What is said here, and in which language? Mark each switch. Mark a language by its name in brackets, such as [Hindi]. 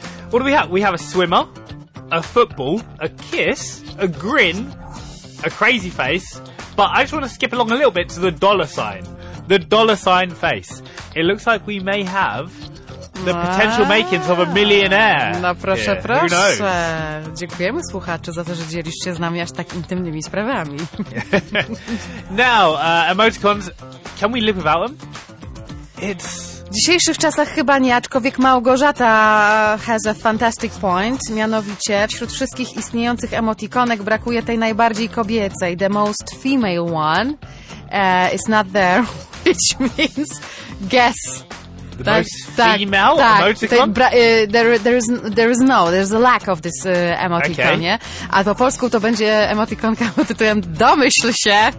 [English] What do we have? We have a swimmer, a football, a kiss, a grin, a crazy face, but I just want to skip along a little bit to the dollar sign. The dollar sign face. It looks like we may have the potential makings of a millionaire. [Polish] No proszę, yeah. Proszę. [English] Who knows? [Polish] Dziękujemy słuchaczu za to, że dzieliście z nami aż tak intymnymi sprawami. [English] Now, emoticons, can we live without them? It's... [Polish] dzisiejszych czasach chyba nie, aczkolwiek Małgorzata [English] has a fantastic point, [Polish] mianowicie wśród wszystkich istniejących emotikonek brakuje tej najbardziej kobiecej, [English] the most female one is not there, which means guess. The most female emoticon? There is a lack of this emoticon, okay. [Polish] Nie? A po polsku to będzie emotikonka pod tytułem domyśl się.